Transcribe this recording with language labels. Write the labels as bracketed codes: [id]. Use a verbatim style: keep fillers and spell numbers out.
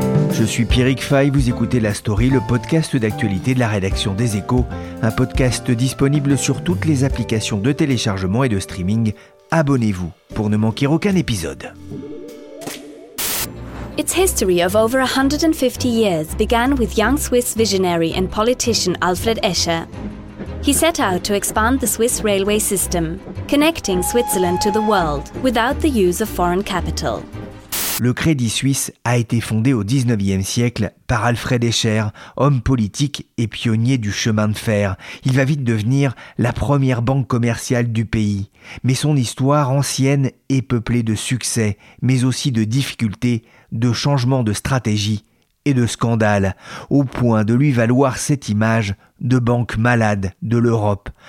[fr] Je suis Pierrick Fay, vous écoutez La Story, le podcast d'actualité de la rédaction des Échos, un podcast disponible sur toutes les applications de téléchargement et de streaming. Abonnez-vous pour ne manquer aucun épisode. [en] Its history of over one hundred fifty years began with young Swiss visionary and politician Alfred Escher. He set out to expand the Swiss railway system, connecting Switzerland to the world without the use of foreign capital. [fr] Le Crédit Suisse a été fondé au dix-neuvième siècle par Alfred Escher, homme politique et pionnier du chemin de fer. Il va vite devenir la première banque commerciale du pays. Mais son histoire ancienne est peuplée de succès, mais aussi de difficultés, de changements de stratégie et de scandales, au point de lui valoir cette image de banque malade de l'Europe.